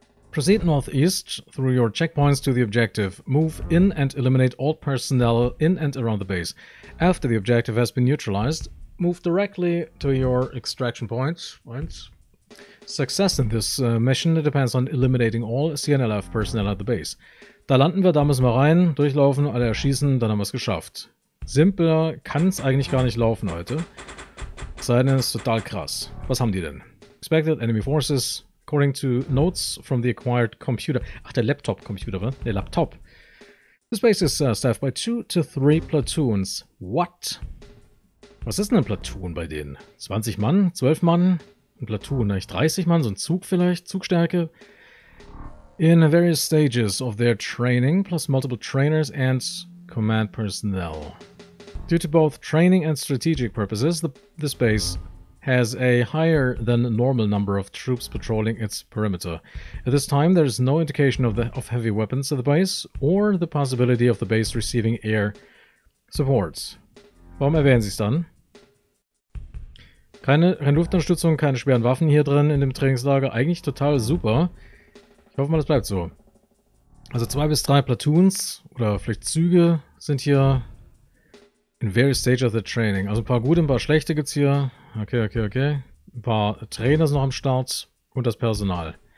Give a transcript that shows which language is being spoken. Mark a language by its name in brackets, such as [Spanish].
[English] Proceed northeast through your checkpoints to the objective. Move in and eliminate all personnel in and around the base. After the objective has been neutralized, move directly to your extraction point. Success in this mission depends on eliminating all CNLF personnel at the base. [German] Da landen wir, da müssen wir rein, durchlaufen, alle erschießen, dann haben wir es geschafft. Simpler kann es eigentlich gar nicht laufen heute. Sein ist total krass. Was haben die denn? [English] Expected enemy forces, according to notes from the acquired computer. [German] Ach, der Laptop-Computer, was? Der Laptop. [English] This base is staffed by 2 to 3 platoons. What? [German] Was ist denn ein Platoon bei denen? 20 Mann? 12 Mann? Ein Platoon, eigentlich 30 Mann, so ein Zug vielleicht, Zugstärke. [English] In various stages of their training, plus multiple trainers and command personnel. Due to both training and strategic purposes, this base has a higher than normal number of troops patrolling its perimeter. At this time, there is no indication of heavy weapons at the base or the possibility of the base receiving air support. [German] Warum erwähnen Sie es dann? Keine Luftunterstützung, keine schweren Waffen hier drin in dem Trainingslager. Eigentlich total super. Ich hoffe mal, das bleibt so. Also 2 bis 3 Platoons oder vielleicht Züge sind hier [English] in various stages of the training. [German] Also ein paar gute, ein paar schlechte gibt's hier. Okay. Ein paar Trainer sind noch am Start und das Personal.